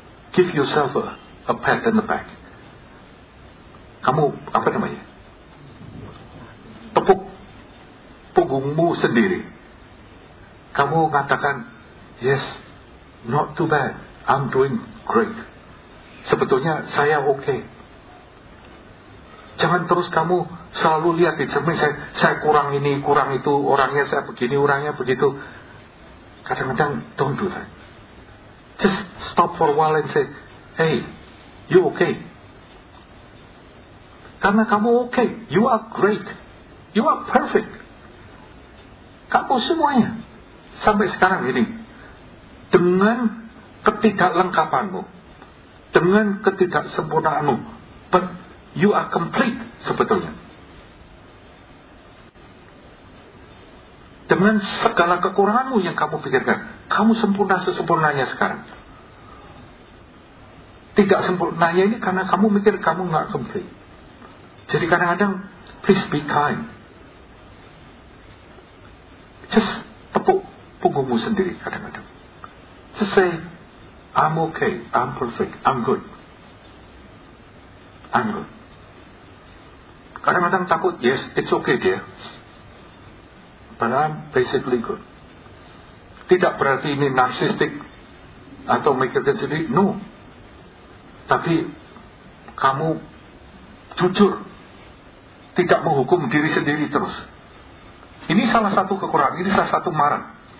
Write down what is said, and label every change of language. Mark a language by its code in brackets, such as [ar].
[en] Give yourself a pat on the back. [id] Kamu, apa namanya? Tepuk punggungmu sendiri. Kamu katakan, [en] yes, not too bad. I'm doing great. [id] Sebetulnya saya okay. Jangan terus kamu selalu lihat di cermin, saya kurang ini, kurang itu, orangnya saya begini, orangnya begitu. Kadang-kadang, [en] don't do that. Just stop for a while and say, hey, you okay? [id] Karena kamu okay, [en] you are great, you are perfect. [id] Kamu semuanya, sampai sekarang ini, dengan ketidaklengkapanmu, dengan ketidaksempurnaanmu, [en] but you are complete [id] sebetulnya. Dengan segala kekuranganmu yang kamu pikirkan, kamu sempurna sesempurnanya sekarang. Tidak sempurnanya ini karena kamu mikir kamu gak complete. [en] Jadi kadang-kadang, please be kind. [id] Just tepuk punggungmu sendiri kadang-kadang. [en] Just say, I'm okay, I'm perfect, I'm good. I'm good. [id] Kadang-kadang takut, [en] yes, it's okay dear. But I'm basically good. [id] Tidak berarti ini narsistik atau mikirkan sendiri, no. Tapi kamu jujur, tidak menghukum diri sendiri terus. Ini salah satu kekurangan, ini salah satu marah.